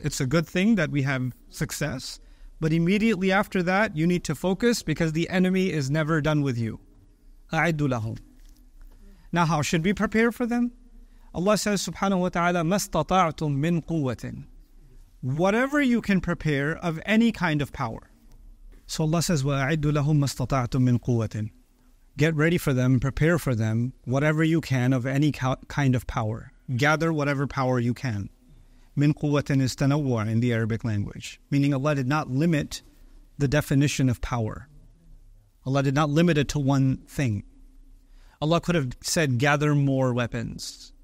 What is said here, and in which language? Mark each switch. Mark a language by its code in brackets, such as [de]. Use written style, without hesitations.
[en] It's a good thing that we have success. But immediately after that, you need to focus because the enemy is never done with you. [ar] أَعِدُّ لَهُمْ. [en] Now how should we prepare for them? Allah says, subhanahu wa ta'ala, [ar] مَا اسْتَطَعْتُمْ مِنْ قُوَّةٍ. [en] Whatever you can prepare of any kind of power. So Allah says, [ar] وَأَعِدُّ لَهُمْ مَا اسْتَطَعْتُمْ مِنْ قُوَّةٍ. [en] Get ready for them, prepare for them, whatever you can of any kind of power. Gather whatever power you can. [ar] مِنْ قُوَّةٍ [en] is تَنَوَّعٍ in the Arabic language. Meaning Allah did not limit the definition of power. Allah did not limit it to one thing. Allah could have said, gather more weapons.